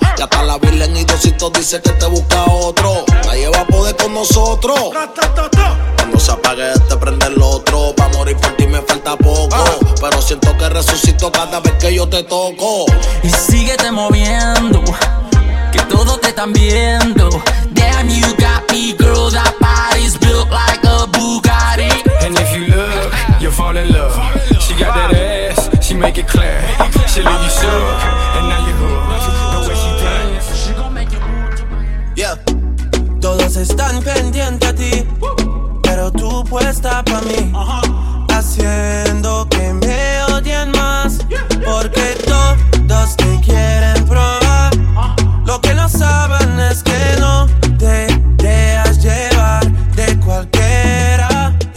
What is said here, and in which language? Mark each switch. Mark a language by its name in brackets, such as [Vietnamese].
[Spanish] Ya está la Biblia en Idosito, dice que te busca otro. Nadie va a poder con nosotros. Cuando se apague, te prende el otro. Pa' morir por ti me falta poco. Pero siento que resucito cada vez que yo te toco. Y síguete moviendo, que todos te están viendo. [English] Damn, you got me, girl. That body's built like a Bugatti. And if you look, you fall in love. She got that ass, she make it clear. She leave you shook, and now you hook. The way she dance. Yeah. [Spanish] Todos están pendientes a ti, pero tú puesta pa' mí. Haciendo que me odien más, porque todos te quieren probar. Lo que no saben es que no te dejas llevar de cualquiera.